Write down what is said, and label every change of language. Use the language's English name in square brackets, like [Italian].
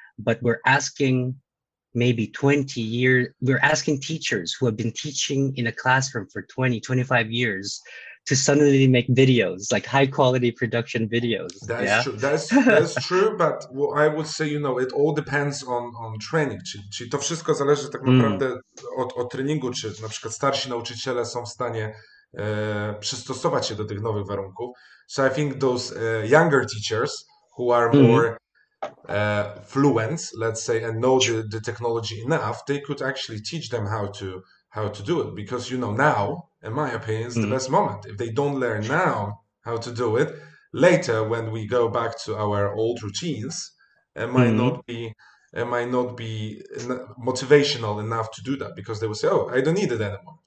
[English] But we're asking maybe 20 years. We're asking teachers who have been teaching in a classroom for 20, 25 years to suddenly make videos, like high quality production That is true. That is videos. true, but what I would say, you know, it all depends on training. [Polish] Czyli to wszystko zależy tak naprawdę od treningu, czy na przykład starsi nauczyciele są w stanie przystosować się do tych nowych warunków. [English] So I think those younger teachers who are more fluent, let's say, and know the technology enough, they could actually teach them how to do it. Because, you know, now, in my opinion, is the best moment. If they don't learn now how to do it, later, when we go back to our old routines, it might not be motivational enough to do that because they will say, "Oh, I don't need it anymore."